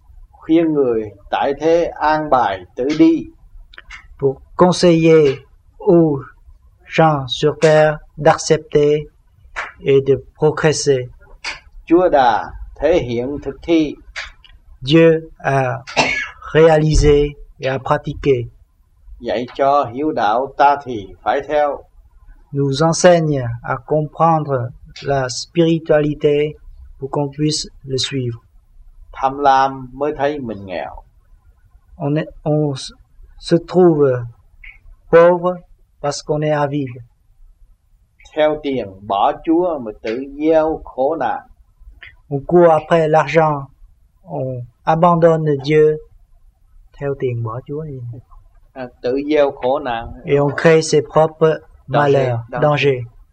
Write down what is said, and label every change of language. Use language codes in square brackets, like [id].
[vi] Khuyên người tại thế an bài tự đi. [fr] Pour conseiller aux gens sur terre d'accepter et de progresser. [vi] Chúa đã thể hiện thực thi. [fr] Dieu a réalisé et a pratiqué. [vi] Dạy cho hiểu đạo ta thì phải theo. [fr] Nous enseigne à comprendre la spiritualité pour qu'on puisse le suivre. [vi] Tham lam mới thấy mình nghèo. [fr] On se trouve pauvre parce qu'on est avide. [vi] Theo tiền bỏ Chúa mà tự gieo khổ nạn. [fr] On court après l'argent, on abandonne Dieu. [vi] Theo tiền bỏ Chúa gì? Tự gieo khổ nạn. [fr] Et on crée ses propres malheurs, dangers.